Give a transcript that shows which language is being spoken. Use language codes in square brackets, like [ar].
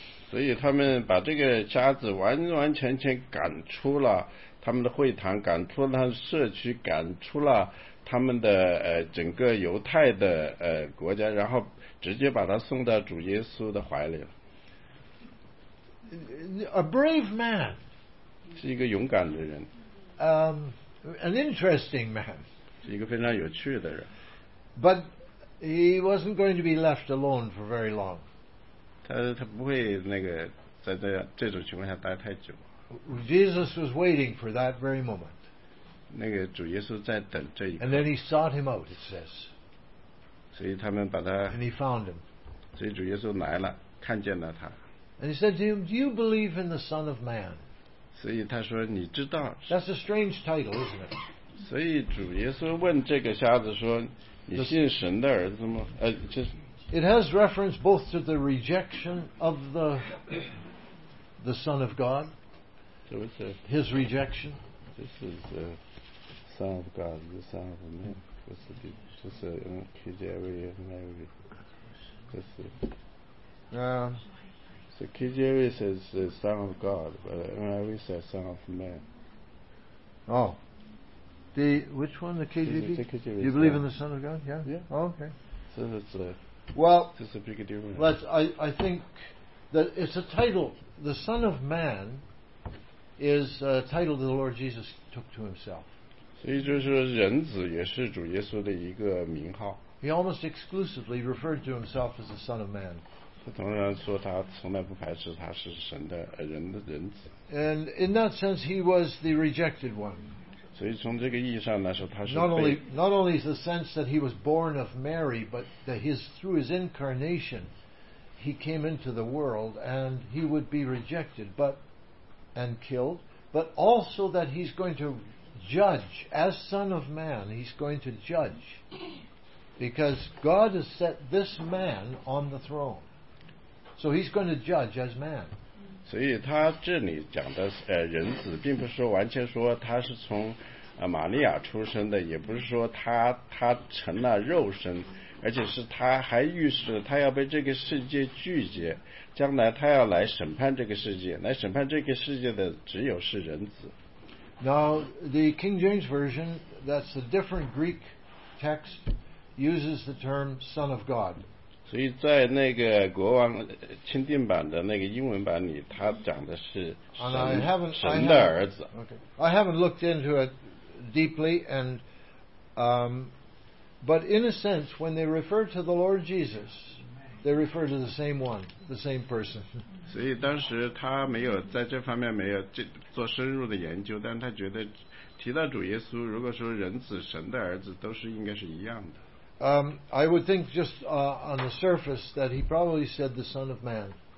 [zh] 所以他们把这个瞎子完完全全赶出了他们的会堂，赶出了他们社区，赶出了他们的整个犹太的国家，然后直接把他送到主耶稣的怀里了。 [en] A brave man. [zh] 是一个勇敢的人。 [en] An interesting man. [zh] 是一个非常有趣的人。 [en] But he wasn't going to be left alone for very long. [zh] 他不会那个在这种情况下待太久。 [en] Jesus was waiting for that very moment. [zh] 那个主耶稣在等这一刻。 [en] And then he sought him out, it says. [zh] 所以他们把他。 [en] And he found him. [zh] 所以主耶稣来了，看见了他。 [en] And he said to him, "Do you believe in the Son of Man?" [zh] 所以他说，你知道。 [en] That's a strange title, isn't it? [zh] 所以主耶稣问这个瞎子说，你信神的儿子吗？就是。 [en] It has reference both to the rejection of the Son of God. So it's his rejection. This is the Son of God, the Son of Man. This is the KJV Mary. This is. So KJV says the Son of God, but Mary says Son of Man. Oh. Which one? The KJV? KJV. You believe in the Son of God? Yeah? Yeah. Oh, okay. So it's a. Well, this is a big deal. I think that it's a title. The Son of Man is a title that the Lord Jesus took to himself. [zh] 所以就是人子也是主耶稣的一个名号。 [en] He almost exclusively referred to himself as the Son of Man. [zh] 他当然说他从来不排斥他是神的人的人子。 [en] And in that sense, he was the rejected one. [zh] 所以从这个意义上来说，他是 [en] not only is the sense that he was born of Mary, but that his through his incarnation, he came into the world and he would be rejected, but and killed, but also that he's going to judge as Son of Man. He's going to judge because God has set this man on the throne, so he's going to judge as man. [zh] 所以他这里讲的人子并不是完全说他是从玛利亚出生的，也不是说他成了肉身，而且是他还预示他要被这个世界拒绝，将来他要来审判这个世界，来审判这个世界的只有是人子。 [en] Now the King James Version, that's a different Greek text, uses the term Son of God. [zh] 所以在那个国王钦定版的那个英文版里，他讲的是神的儿子。 [en] Okay. I haven't looked into it deeply, and but in a sense, when they refer to the Lord Jesus, they refer to the same one, the same person. [zh] 所以当时他没有在这方面没有做深入的研究，但他觉得提到主耶稣，如果说人子、神的儿子，都是应该是一样的。 [en] I would think just on the surface that he probably said the Son of Man.